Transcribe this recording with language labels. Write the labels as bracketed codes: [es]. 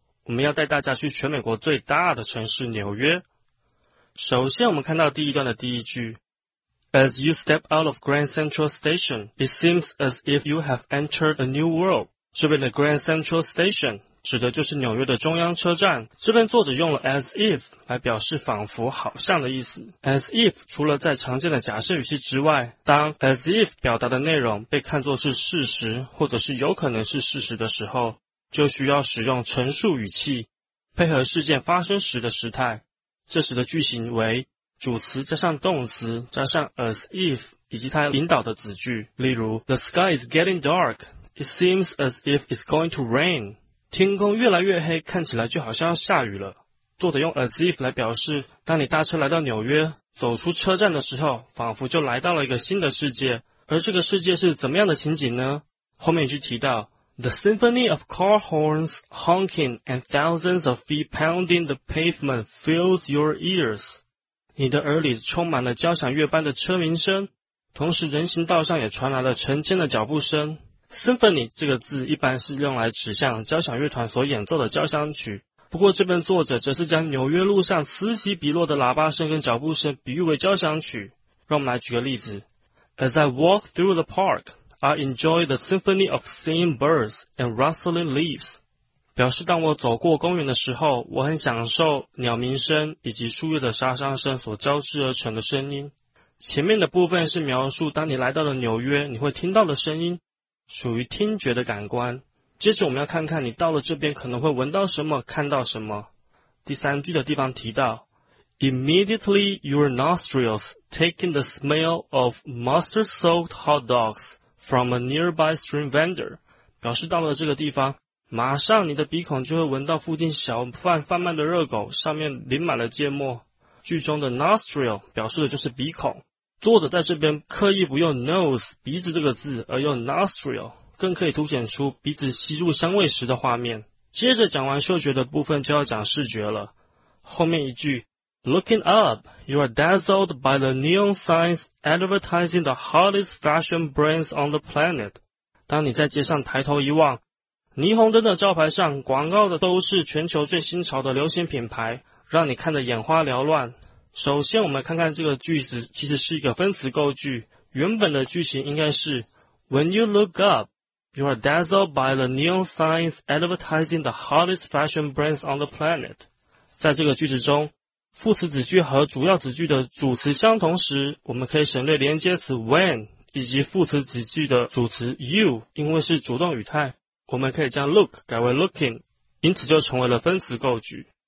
[zh] 我们要带大家去全美国最大的城市纽约。首先我们看到第一段的第一句。 [en] As you step out of Grand Central Station, it seems as if you have entered a new world. [zh] 这边的 Grand Central Station 指的就是纽约的中央车站。这边作者用了 as if 来表示仿佛好像的意思。 As if 除了在常见的假设语气之外，当 as if 表达的内容被看作是事实或者是有可能是事实的时候，就需要使用陈述语气配合事件发生时的时态。这时的句型为主词加上动词加上 as if 以及它引导的子句，例如 [en] The sky is getting dark. It seems as if it's going to rain. [zh] 天空越来越黑，看起来就好像要下雨了。作者用 as if 来表示当你搭车来到纽约，走出车站的时候，仿佛就来到了一个新的世界。而这个世界是怎么样的情景呢？后面一句提到 [en] The symphony of car horns honking and thousands of feet pounding the pavement fills your ears. [zh] 你的耳里充满了交响乐般的车鸣声，同时人行道上也传来了成千的脚步声。 Symphony 这个字一般是用来指向交响乐团所演奏的交响曲，不过这边作者则是将纽约路上此起彼落的喇叭声跟脚步声比喻为交响曲。让我们来举个例子。 [en] As I walk through the park, I enjoy the symphony of singing birds and rustling leaves. [zh] 表示当我走过公园的时候，我很享受鸟鸣声以及树叶的沙沙声所交织而成的声音。前面的部分是描述当你来到了纽约，你会听到的声音，属于听觉的感官。接着我们要看看你到了这边可能会闻到什么，看到什么。第三句的地方提到 [en] Immediately your nostrils take in the smell of mustard-soaked hot dogs from a nearby street vendor. [zh] 表示到了这个地方，马上你的鼻孔就会闻到附近小贩贩卖的热狗上面淋满了芥末。句中的 nostril 表示的就是鼻孔，作者在这边刻意不用 nose 鼻子这个字，而用 nostril 更可以凸显出鼻子吸入香味时的画面。接着讲完嗅觉的部分就要讲视觉了。后面一句 [en] Looking up, you are dazzled by the neon signs advertising the hottest fashion brands on the planet. [zh] 当你在街上抬头一望，霓虹灯的招牌上广告的都是全球最新潮的流行品牌，让你看得眼花缭乱。首先我们看看这个句子其实是一个分词构句，原本的句型应该是 [en] When you look up, you are dazzled by the neon signs advertising the hottest fashion brands on the planet. [zh] 在这个句子中，副词子句和主要子句的主词相同时，我们可以省略连接词 when 以及副词子句的主词 you， 因为是主动语态，我们可以将 look 改为 looking， 因此就成为了分词构句。